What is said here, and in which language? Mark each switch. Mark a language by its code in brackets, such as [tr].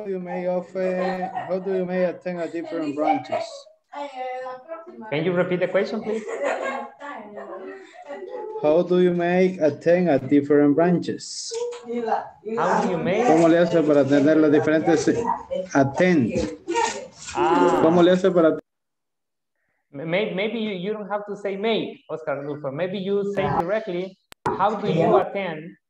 [en] How do you may attend a different branches? Can you repeat the question, please? How do you make attend a different branches? How do you make? [es] ¿Cómo le hace para atender las diferentes attend? ¿Cómo le hace para? [en] Maybe you don't have to say make, Oscar Lufa. Maybe you say directly, how do you attend?